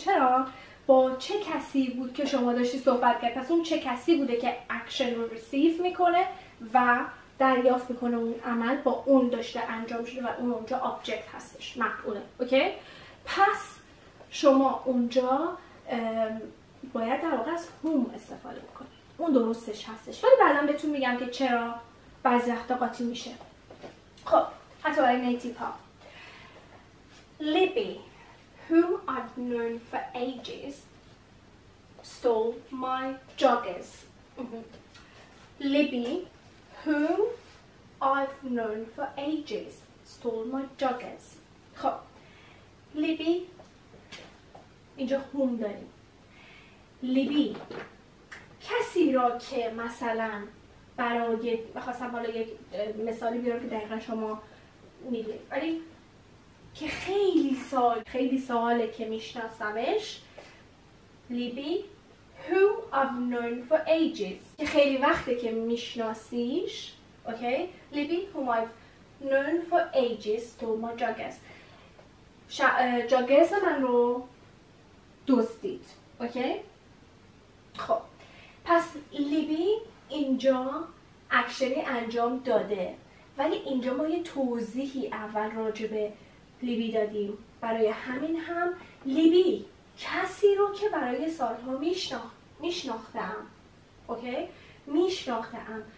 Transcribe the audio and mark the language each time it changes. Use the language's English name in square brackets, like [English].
[Persian] چرا؟ با چه کسی بود که شما داشتی صحبت کرد؟ پس اون چه کسی بوده که اکشن رو ریسیف میکنه و دریافت میکنه اون عمل با اون داشته انجام شده و اون اونجا آبجکت هستش، مفعوله. اوکی؟ پس شما اونجا باید در واقع از whom استفاده بکنید، اون درستش هستش، ولی بعدا بهتون میگم که چرا بعضی وقتا قاطی میشه. خب حتی برای نیتیو ها. [English] Libby, whom I've known for ages, stole my joggers. Libby, whom I've known for ages, stole my joggers. [Persian] خب Libby، اینجا whom داریم. Libby کسی را که مثلا برای، بخواستم حالا یک مثالی بیارم که دقیقا شما میدید، ولی که خیلی ساله که میشناسمش. [English] Libby whom I've known for ages [Persian] که خیلی وقته که میشناسیش، [English] Okay, Libby, whom I've known for ages, stole my joggers. [Persian] جاگرز من رو دزدید. اوکی؟ خب پس لیبی اینجا اکشنی انجام داده، ولی اینجا ما یه توضیحی اول راجع به لیبی دادیم. برای همین هم لیبی کسی رو که برای سالها میشناختم، اوکی؟ میشناختم.